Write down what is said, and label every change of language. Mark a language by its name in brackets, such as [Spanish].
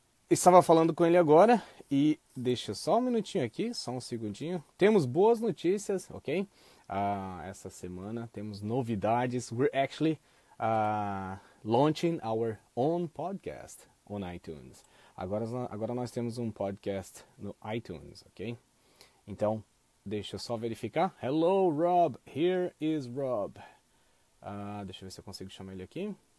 [Portuguese] Estava falando com ele agora e deixa só um minutinho aqui, só um segundinho. Temos boas notícias, ok? Essa semana temos novidades. [English] We're actually launching our own podcast on iTunes. [Portuguese] Agora nós temos um podcast no iTunes, ok? Então, deixa eu só verificar. [English] Hello, Rob. Here is Rob. [Portuguese] Deixa eu ver se eu consigo chamar ele aqui.